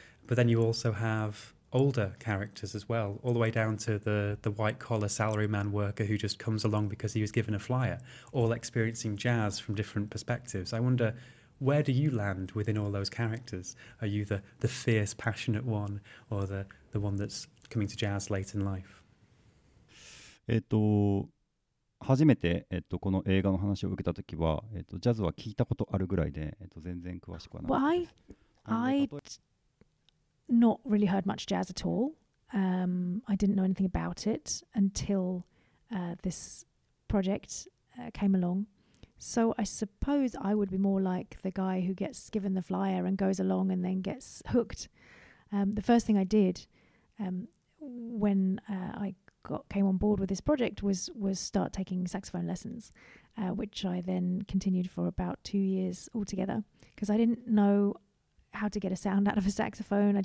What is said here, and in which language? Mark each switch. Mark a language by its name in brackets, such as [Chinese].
[English] But then you also have older characters as well, all the way down to the white-collar salaryman worker who just comes along because he was given a flyer, all experiencing jazz from different perspectives. I wonder, where do you land within all those characters? Are you the fierce, passionate one, or the one that's coming to jazz late in life? [Japanese] 初めて、この映画の話を受けたときは、ジャズは聞いたことあるぐらいで、全然詳しくはなかったです。 [English] Not really heard much jazz at all. I didn't know anything about it until this project came along. So I suppose I would be more like the guy who gets given the flyer and goes along and then gets hooked. The first thing I did when I came on board with this project was start taking saxophone lessons, which I then continued for about 2 years altogether because I didn't know how to get a sound out of a saxophone.